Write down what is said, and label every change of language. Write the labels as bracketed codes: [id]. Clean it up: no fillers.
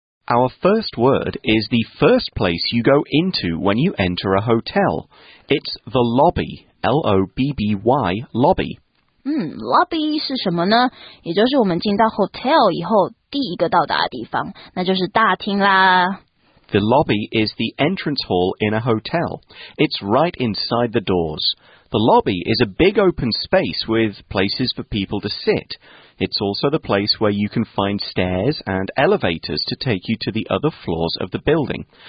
[en] Our first word is the first place you go into when you enter a hotel. It's the lobby, L-O-B-B-Y, lobby. [zh] Lobby 是什么呢？也就是我们进到 hotel 以后第一个到达的地方，那就是大厅啦。 [en] The lobby is the entrance hall in a hotel. It's right inside the doors. The lobby is a big open space with places for people to sit. It's also the place where you can find stairs and elevators to take you to the other floors of the building.